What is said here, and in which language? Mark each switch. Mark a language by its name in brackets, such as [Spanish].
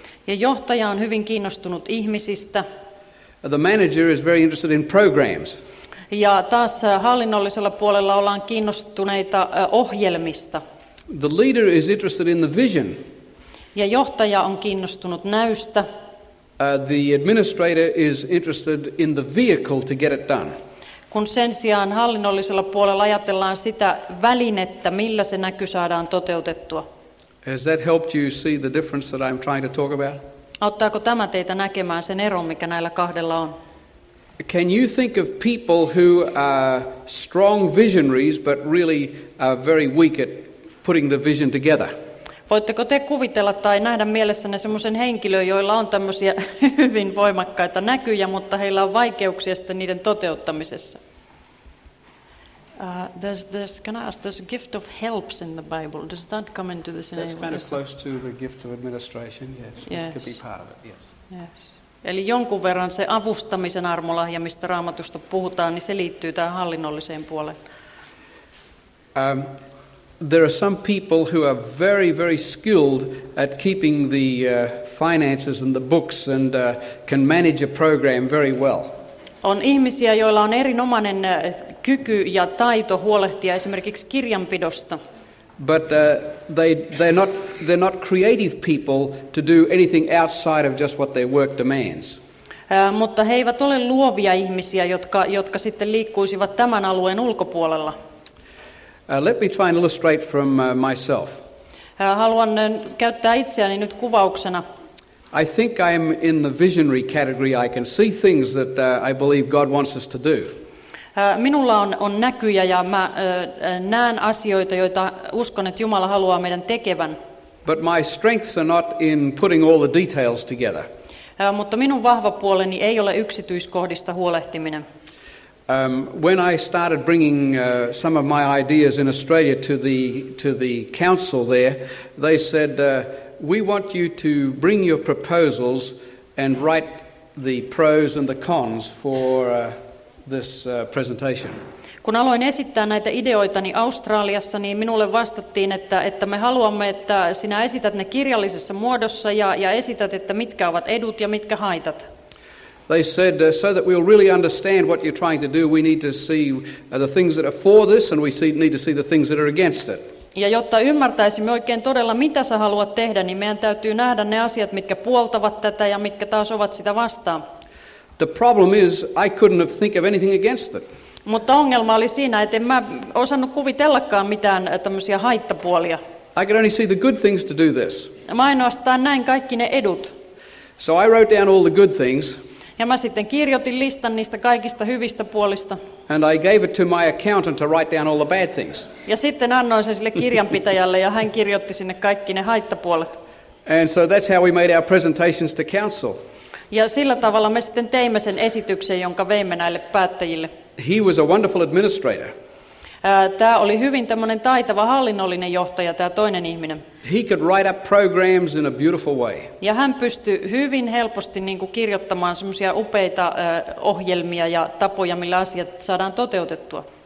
[Finnish] Ja johtaja on hyvin kiinnostunut ihmisistä. [English] The manager is very interested in programs. [Finnish] Ja taas hallinnollisella puolella ollaan kiinnostuneita ohjelmista. [English] The leader is interested in the vision. [Finnish] Ja johtaja on kiinnostunut näystä. [English] The administrator is interested in the vehicle to get it done. [Finnish] Kun sen sijaan hallinnollisella puolella ajatellaan sitä välinettä, millä se näky saadaan toteutettua. [English] Has that helped you see the difference that I'm trying to talk about? [Finnish] Auttaako tämä teitä näkemään sen eron, mikä näillä kahdella on? [English] Can you think of people who are strong visionaries but really are very weak at putting the vision together? [Finnish] Voitteko te kuvitella tai nähdä mielessänne semmoisen henkilön, joilla on tämmöisiä hyvin voimakkaita näkyjä, mutta heillä on vaikeuksia sitten niiden toteuttamisessa? [English] There's can I ask, there's a gift of helps in the Bible. Does that come into this? That's kind of close to the gift of administration, yes. It could be part of it, yes. Yes. [Finnish] Eli jonkun verran se avustamisen armolahja, mistä Raamatusta puhutaan, niin se liittyy tähän hallinnolliseen puoleen. [English] There are some people who are very, very skilled at keeping the finances and the books and can manage a program very well. [Finnish] On ihmisiä, joilla on erinomainen kyky ja taito huolehtia esimerkiksi kirjanpidosta. [English] But they're not creative people to do anything outside of just what their work demands. [Finnish] Mutta he eivät ole luovia ihmisiä, jotka sitten liikkuisivat tämän alueen ulkopuolella. [English] Let me try and illustrate from myself. [Finnish] Haluan käyttää itseäni nyt kuvauksena. [English] I think I'm in the visionary category. I can see things that I believe God wants us to do. [Finnish] Minulla on näkyjä ja mä näen asioita, joita uskon, että Jumala haluaa meidän tekevän. [English] But my strengths are not in putting all the details together. [Finnish] Mutta minun vahva puoleni ei ole yksityiskohdista huolehtiminen. [English] When I started bringing some of my ideas in Australia to the council there, they said, we want you to bring your proposals and write the pros and the cons for this presentation. [Finnish] Kun aloin esittää näitä ideoitani Australiassa, niin minulle vastattiin, että me haluamme, että sinä esität ne kirjallisessa muodossa ja esität, että mitkä ovat edut ja mitkä haitat. [English] They said so that we'll really understand what you're trying to do, we need to see the things that are for this and we need to see the things that are against it. [Finnish] Ja jotta ymmärtäisimme oikein todella, mitä sä haluat tehdä, niin meidän täytyy nähdä ne asiat, mitkä puoltavat tätä ja mitkä taas ovat sitä vastaan. [English] The problem is I couldn't have think of anything against it. [Finnish] Mutta ongelma oli siinä, että en mä osannut kuvitellakaan mitään tämmöisiä haittapuolia. [English] I could only see the good things to do this. [Finnish] Mä ainoastaan näin kaikki ne edut. [English] So I wrote down all the good things. [Finnish] Ja mä sitten kirjoitin listan niistä kaikista hyvistä puolista. [English] And I gave it to my accountant to write down all the bad things. [Finnish] Ja sitten annoin sen sille kirjanpitäjälle ja hän kirjoitti sinne kaikki ne haittapuolet. [English] And so that's how we made our presentations to council. [Finnish] Ja sillä tavalla me sitten teimme sen esityksen, jonka veimme näille päättäjille. [English] He was a wonderful administrator. [Finnish] Tämä oli hyvin tämmöinen taitava hallinnollinen johtaja, tämä toinen ihminen. [English] He could write up programs in a beautiful way. [Finnish] Ja hän pystyi hyvin helposti niin kuin kirjoittamaan semmoisia upeita ohjelmia ja tapoja, millä asiat saadaan toteutettua.